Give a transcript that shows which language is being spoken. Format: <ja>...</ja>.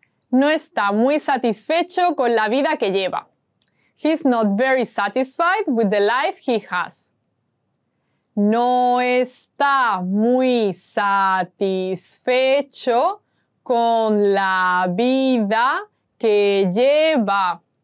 <es>No está muy satisfecho con la vida que lleva.</es> <en>He's not very satisfied with the life he has.</en> <es>No está muy satisfecho con la vida que lleva.</es>